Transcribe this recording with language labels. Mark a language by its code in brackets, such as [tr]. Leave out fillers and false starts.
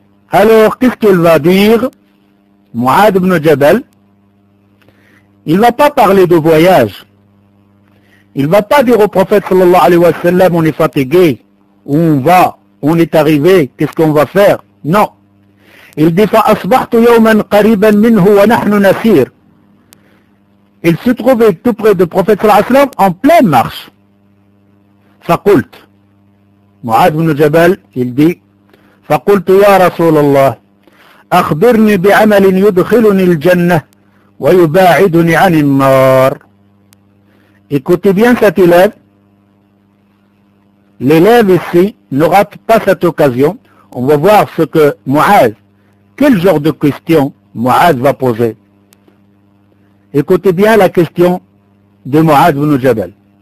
[fr] Alors, qu'est-ce qu'il va dire, Mu'adh ibn Jabal? Il ne va pas parler de voyage. Il ne va pas dire au prophète, sallallahu alayhi wa sallam, on est fatigué, où on va, où on est arrivé, qu'est-ce qu'on va faire? Non. Il dit, [ar] فأصبحت يوما قريبا منه ونحن نسير. [fr] Il se trouvait tout près du prophète sallallahu alayhi wa sallam en pleine marche. [ar] فقلت. Mu'adh ibn Jabal, [fr] il dit, [ar] فقلت يا رسول الله أخبرني بعمل يدخلني الجنة ويباعدني عن النار. [fr] Écoutez bien cet élève. L'élève ici ne rate pas cette occasion. On va voir ce que Mu'adh, quel genre de question Mu'adh va poser. Écoutez bien la question de Mu'adh ibn Jabal.